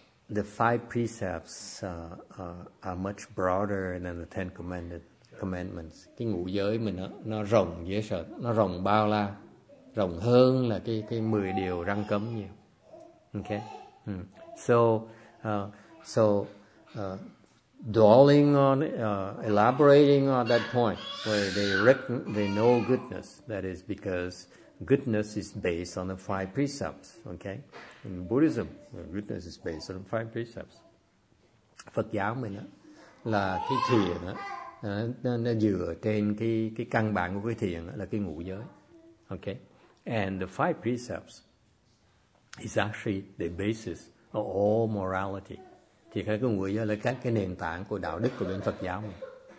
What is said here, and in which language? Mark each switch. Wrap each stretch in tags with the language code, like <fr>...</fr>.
<en>The five precepts are much broader than the Ten Commandments.</en> <vi>Cái ngũ giới mình nó rộng dễ sợ, nó rộng bao la, rộng hơn là cái mười điều răn cấm nhiều.</vi> <en>Okay. Mm. So dwelling on elaborating on that point where they know goodness, that is because goodness is based on the five precepts, okay? In Buddhism, goodness is based on the five precepts.</en> <vi>Phật giáo mình á là cái thiền á, nó dựa trên cái căn bản của cái thiền là cái ngũ giới.</vi> <en>Okay? And the five precepts is actually the basis of all morality.</en> <vi>Thì cái ngũ giới là cái nền tảng của đạo đức của bên Phật giáo mình.</vi>